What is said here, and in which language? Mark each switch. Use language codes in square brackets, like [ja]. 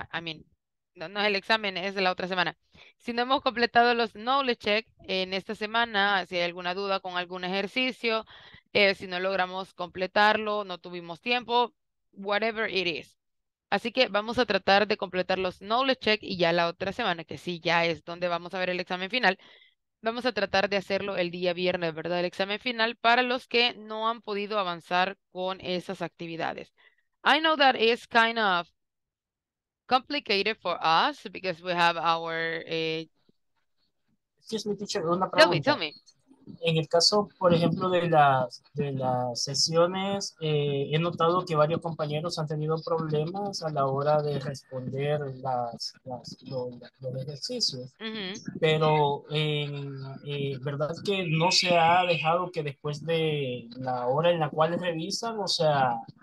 [es] I mean, no es el examen, es de la otra semana. Si no hemos completado los knowledge check en esta semana, si hay alguna duda con algún ejercicio, si no logramos completarlo, no tuvimos tiempo, [en] whatever it is. [es] Así que vamos a tratar de completar los knowledge check y ya la otra semana, que sí, ya es donde vamos a ver el examen final, vamos a tratar de hacerlo el día viernes, ¿verdad? El examen final para los que no han podido avanzar con esas actividades. [en] I know that is kind of complicated for us because we have our... Excuse me, teacher, [es] una pregunta. [en] Tell me. [es] En el caso, por ejemplo, de las sesiones, he notado que varios compañeros han tenido problemas a la hora de responder los ejercicios. Pero, ¿verdad que no se ha dejado que después de la hora en la cual revisan, o sea...